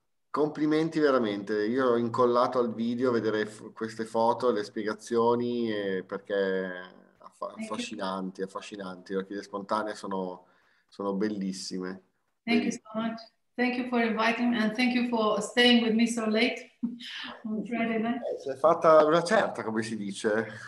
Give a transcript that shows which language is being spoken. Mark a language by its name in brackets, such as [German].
[Italian] Complimenti veramente, io ho incollato al video vedere queste foto, le spiegazioni, perché affascinanti, le orchidee spontanee sono bellissime. [English] Thank you so much. Thank you for inviting me and thank you for staying with me so late on Friday night. [Italian] Si è fatta una certa, come si dice.